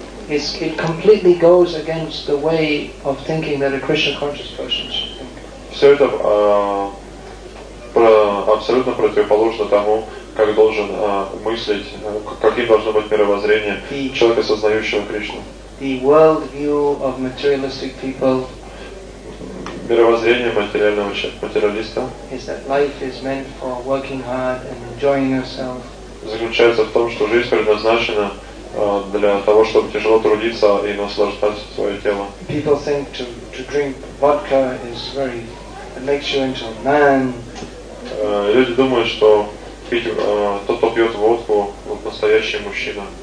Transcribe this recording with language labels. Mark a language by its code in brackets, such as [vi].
[en] It completely goes against the way of thinking that a Krishna conscious person should think. [ru] Все это абсолютно противоположно тому, как должен мыслить, каким должно быть мировоззрение человека, сознающего Кришну. [en] The world view of materialistic people. [ru] Мировоззрение материального материалиста. [en] Is that life is meant for working hard and enjoying yourself. [ru] Заключается в том, что жизнь предназначена для того, чтобы тяжело трудиться и наслаждаться своим телом. [en] People think to drink vodka is very, it makes you into a man. [ru] Люди думают, что тот, кто пьет водку, вот настоящий мужчина.